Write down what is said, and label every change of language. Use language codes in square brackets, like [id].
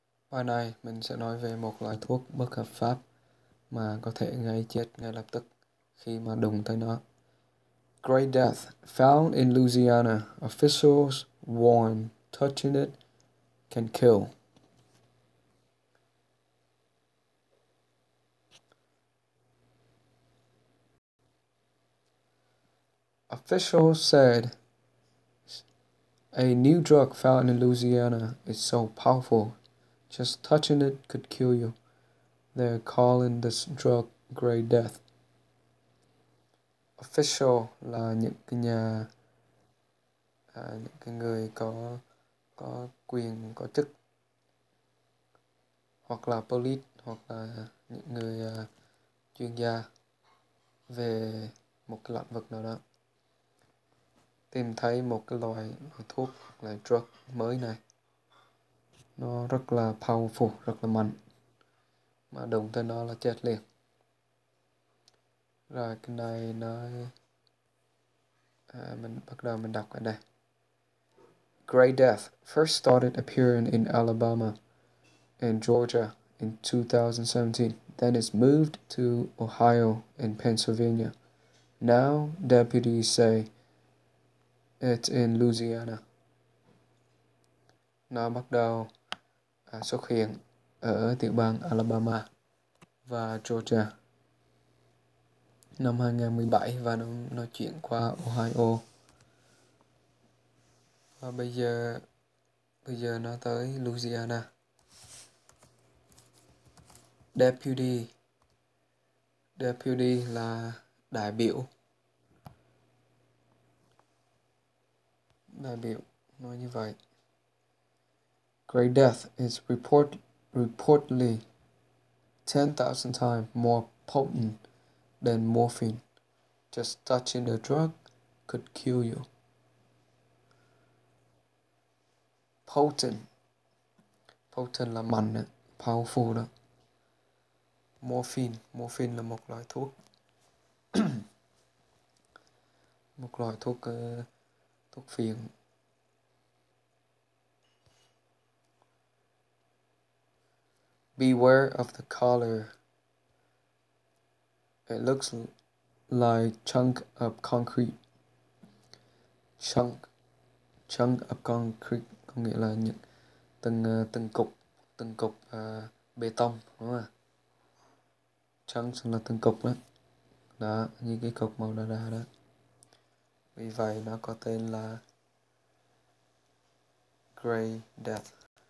[vi] Hôm nay mình sẽ nói về một loại thuốc bất hợp pháp mà có thể gây chết ngay lập tức khi mà đụng tới nó. [en] Great death found in Louisiana. Officials warn touching it can kill. Officials said a new drug found in Louisiana is so powerful. Just touching it could kill you. They're calling this drug Grey Death. [vi] Official là những cái nhà, những cái người có quyền, có chức, hoặc là police, hoặc là những người chuyên gia về một cái lĩnh vực nào đó. Tìm thấy một cái loại thuốc, là drug mới này. Nó rất là powerful, rất là mạnh. Mà đụng tới nó là chết liền. Rồi cái này nó mình bắt đầu mình đọc ở đây. [en] Grey Death first started appearing in Alabama and Georgia in 2017. Then it's moved to Ohio and Pennsylvania. Now deputies say it's in Louisiana. [vi] Nó bắt đầu xuất hiện ở tiểu bang Alabama và Georgia năm 2017 và nó chuyển qua Ohio. Và bây giờ nó tới Louisiana. Deputy là đại biểu nói như vậy. [en] Grey Death is reportedly 10,000 times more potent than morphine. Just touching the drug could kill you. [vi] Potent là mạnh, powerful đó. Morphine là một loại thuốc. Một loại thuốc thuốc phiện. [en] Beware of the color. It looks like chunk of concrete. Chunk of concrete [vi] có nghĩa là những từng cục bê tông, đúng không ạ? Chunks là từng cục đó. Đó, như cái cục màu đỏ đỏ đó. Vì vậy nó có tên là Grey Death.